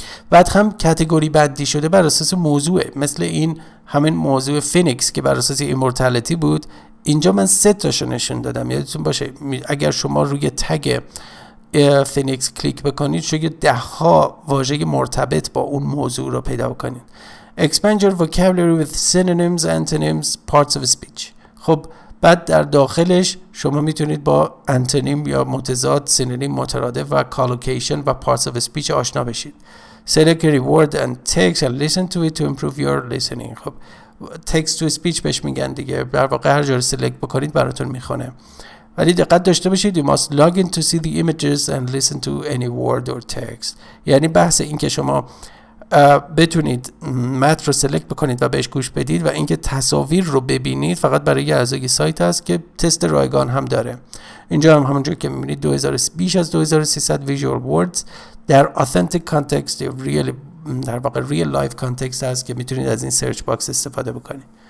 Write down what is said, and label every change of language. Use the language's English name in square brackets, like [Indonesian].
[Persian] بعد هم کاتگوری بندی شده بر اساس موضوع، مثل این همین موضوع فینیکس که بر اساس ایمورتالیتی بود. اینجا من 3 تاشو نشون دادم، یادتون باشه اگر شما روی تگ فینیکس کلیک بکنید شاید 10 واژه مرتبط با اون موضوع رو پیدا کنید. [English] Expand your vocabulary with synonyms, antonyms, parts of speech. [Persian] خب بعد در داخلش شما میتونید با انتونیم یا متضاد، سینونیم، مترادف و کالوکیشن و پارتس اف اسپیچ آشنا بشید. [English] Select a word and text and listen to it to improve your listening. [Persian] خب text to speech بهش میگن دیگه، در واقع هر جور سلیکت بکنید براتون میخونه. [English] ولی دقت داشته باشید، you must log in to see the images and listen to any word or text. [Persian] یعنی بحث این که شما بتونید متن رو سلیکت بکنید و بهش گوش بدید و اینکه تصاویر رو ببینید فقط برای اعضای سایت است که تست رایگان هم داره. اینجا هم همونجور که می‌بینید 2000 بیش از 2300 ویژوال وردز در اتنتیک کانتکست، ریل، در واقع ریل لایف کانتکست است که میتونید از این سرچ باکس استفاده بکنید.